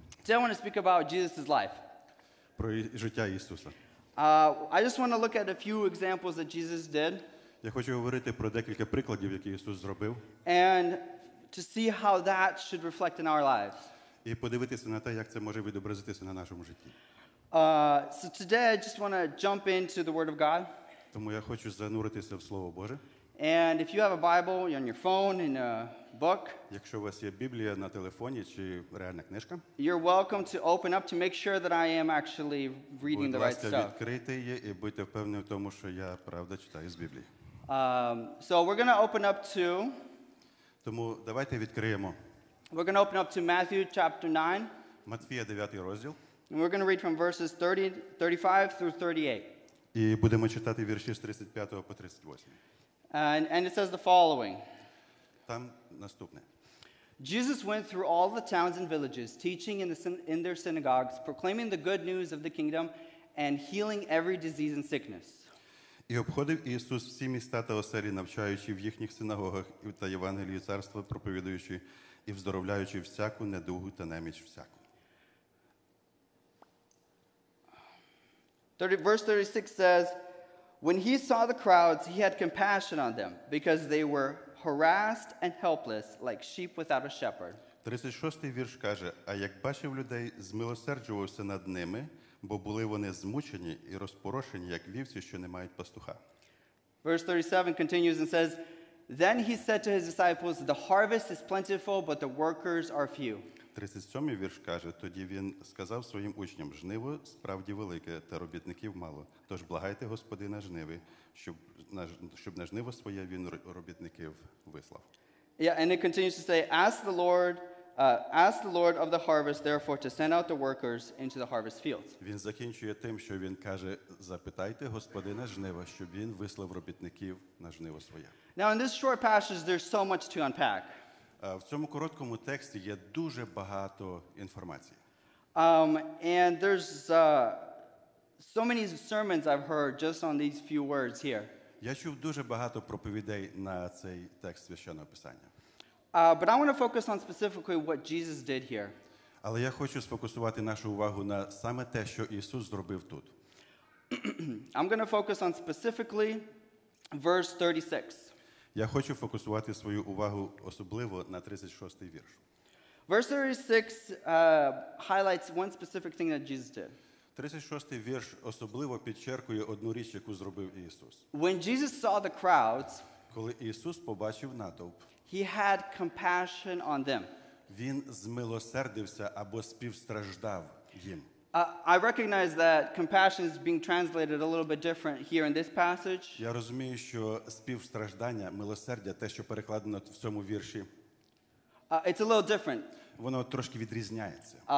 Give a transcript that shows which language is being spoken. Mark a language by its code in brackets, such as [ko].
[en] Today I want to speak about Jesus' life. [uk] Про життя Ісуса. [en] I just want to look at a few examples that Jesus did. [uk] Я хочу говорити про декілька прикладів, які Ісус зробив. [en] And to see how that should reflect in our lives. [uk] І подивитися на те, як це може відобразитися на нашому житті. [en] So today I just want to jump into the word of God. [uk] Тому я хочу зануритися в слово Боже. [en] And if you have a Bible on your phone in a book, [uk] якщо у вас є Біблія на телефоні чи реальна книжка, [en] you're welcome to open up to make sure that I am actually reading the right stuff. [uk] Будь ласка, відкрити її і будьте впевнені в тому, що я правда читаю з Біблії. [en] So we're going to open up to [uk] Тому давайте відкриємо. [en] We're going to open up to Matthew chapter 9. [uk] Матвія 9 розділ. [en] And we're going to read from verses 35 through 38. [uk] І будемо читати вірші з 35 по 38. [en] And it says the following. [uk] Там наступне. [en] Jesus went through all the towns and villages, teaching in their synagogues, proclaiming the good news of the kingdom and healing every disease and sickness. [uk] І обходив Ісус всі міста та оселі, навчаючи в їхніх синагогах та Євангелію царства, проповідуючи і вздоровляючи всяку недугу та неміч всяку. [en] Verse 36 says, when he saw the crowds, he had compassion on them, because they were harassed and helpless, like sheep without a shepherd. [uk] 36-й вірш каже, а як бачив людей, змилосерджувався над ними, бо були вони змучені і розпорошені, як вівці, що не мають пастуха. [en] Verse 37 continues and says, then he said to his disciples, the harvest is plentiful, but the workers are few. [uk] 37-й вірш каже, тоді він сказав своїм учням, жниво справді велике, та робітників мало. Тож благайте Господина жниви, щоб на жниво своє він робітників вислав. [en] Yeah, and it continues to say, ask the Lord of the harvest, therefore, to send out the workers into the harvest fields. [uk] Він закінчує тим, що він каже, запитайте Господина жнива, щоб він вислав робітників на жниво своє. [en] Now, in this short passage, there's so much to unpack. [uk] В цьому короткому тексті є дуже багато інформації. [en] And there's so many sermons I've heard just on these few words here. [uk] Я чув дуже багато проповідей на цей текст Священного Писання. [en] But I want to focus on specifically what Jesus did here. [uk] Але я хочу сфокусувати нашу увагу на саме те, що Ісус зробив тут. [en] I'm going to focus on specifically verse 36. [uk] Я хочу фокусувати свою увагу особливо на 36-й вірш. [en] Verse 36 highlights one specific thing that Jesus did. [uk] 36-й вірш особливо підчеркує одну річ, яку зробив Ісус. [en] When Jesus saw the crowds, [uk] коли Ісус побачив натовп, [en] he had compassion on them. [uk] Він змилосердився або співстраждав їм. [en] I recognize that compassion is being translated a little bit different here in this passage. [uk] Я розумію, що співстраждання, милосердя, те, що перекладено в цьому вірші. [en] It's a little different. [uk] Воно трошки відрізняється.